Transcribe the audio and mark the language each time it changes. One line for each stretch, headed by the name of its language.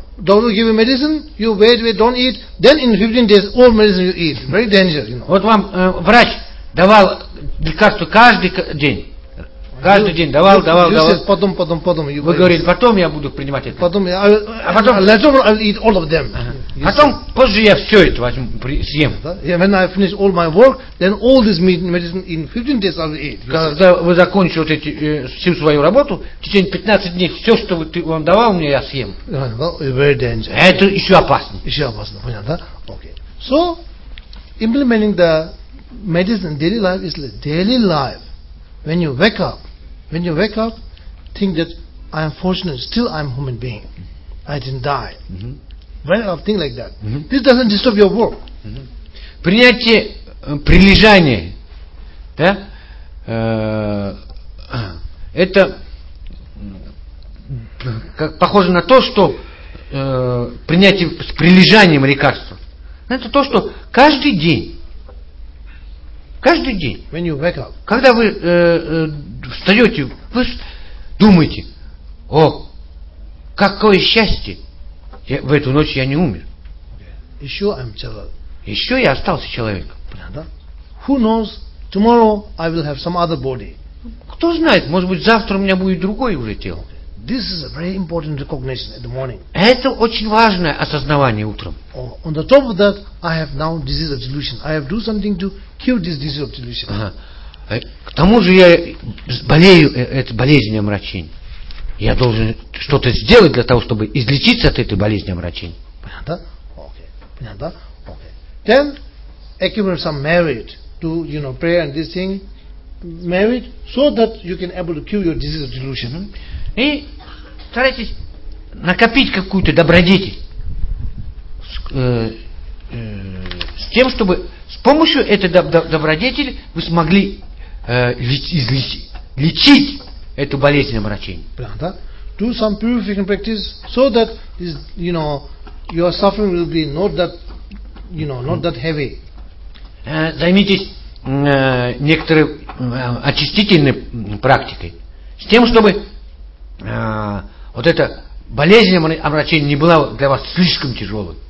English: Doctor give you medicine, you wait, don't eat. Then in 15 days, all medicine you eat. Very dangerous, you know.
Russian: Вот вам врач давал лекарство каждый день давал.
English: You said,
Russian: потом. Вы говорите, потом я буду принимать это. Потом,
English: I'll eat all of them.
Russian: Uh-huh. Потом, said. Позже я все это возьму, съем.
English: Yeah, when I finish all my work, then all this medicine in 15 days I'll eat.
Russian: Когда вы закончите вот эти, всю свою работу, в течение 15 дней все, что он давал мне, я съем.
English: Well, very dangerous.
Russian: Это еще опаснее. Еще опаснее, понятно?
English: Okay. So, implementing the medicine in daily life is like daily life. When you wake up, think that I am fortunate, still I am human being. I didn't die. Mm-hmm. When I think like that, mm-hmm. this doesn't disturb your work. Mm-hmm.
Russian: Принятие прилежания, да, это как, похоже на то, что принятие с прилежанием лекарства. Это то, что каждый день.
English: When you wake up.
Russian: Когда вы встаете, вы думаете, о, какое счастье, в эту ночь я не умер.
English: Okay. Еще I'm
Russian: человек. Еще я остался человеком. Понятно?
English: Who knows, tomorrow I will have some other body.
Russian: Кто знает, может быть, завтра у меня будет другое уже тело.
English: This is a very important recognition in the morning.
Russian: Это очень важное осознавание утром.
English: Oh, on the top of that, I have now disease of delusion. I have to do something to cure this disease of delusion.
Russian: Ага. К тому же я болею этой болезнью омрачения. Я должен что-то сделать для того, чтобы излечиться от этой болезни омрачения. Понятно? Okay. Понятно? Okay.
English: Then, accumulate some merit to, you know, prayer and this thing. Merit, so that you can able to cure your disease of delusion.
Russian: И старайтесь накопить какую-то добродетель с тем, чтобы с помощью этой добродетели вы смогли лечить эту болезнь омрачения. Правда?
English: Do some purification practice so that this, you know, your suffering will be not that, you know, not that heavy.
Russian: Займитесь некоторой очистительной практикой с тем, чтобы вот эта болезнь омрачения не была для вас слишком тяжелой.